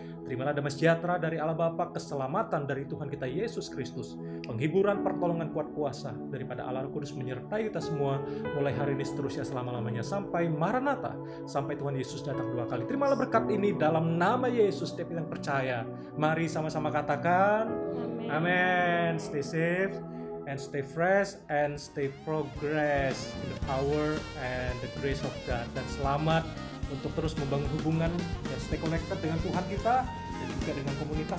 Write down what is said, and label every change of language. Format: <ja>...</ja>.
<id>Terimalah damai sejahtera dari Allah Bapa, keselamatan dari Tuhan kita Yesus Kristus, penghiburan pertolongan kuat kuasa daripada Allah Kudus menyertai kita semua mulai hari ini seterusnya selama-lamanya sampai Maranatha, sampai Tuhan Yesus datang dua kali. Terimalah berkat ini dalam nama Yesus, setiap yang percaya. Mari sama-sama katakan, amin.</id> <en>Stay safe and stay fresh and stay progress in the power and the grace of God.</en> <id>Dan selamat untuk terus membangun hubungan dan</id> <en>stay connected</en> <id>dengan Tuhan kita dan juga dengan komunitas.</id>